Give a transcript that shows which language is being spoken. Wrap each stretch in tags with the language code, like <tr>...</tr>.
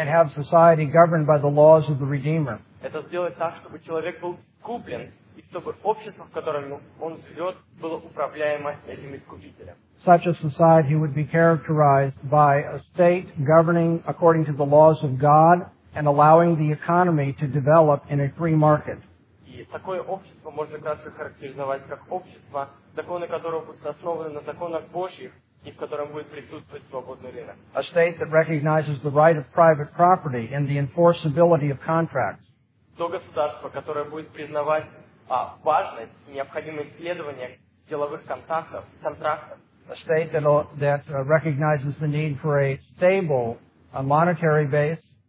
<en>And have society governed by the laws of the Redeemer.</en> <ru>Это сделать так, чтобы человек был искуплен, и чтобы общество, в котором он живет, было управляемо этим искупителем.</ru> <en>Such a society would be characterized by a state governing according to the laws of God and allowing the economy to develop in a free market.</en> <ru>И такое общество можно кратко характеризовать как общество, законы которого будут основаны на законах Божьих и в котором будет присутствовать свободный рынок.</ru> <en>A state that recognizes the right of private property and the enforceability of contracts.</en> <ru>То государство, которое будет признавать важность, необходимое исследование деловых контрактов.</ru> <en>A state that recognizes the need for a stable monetary base.</en>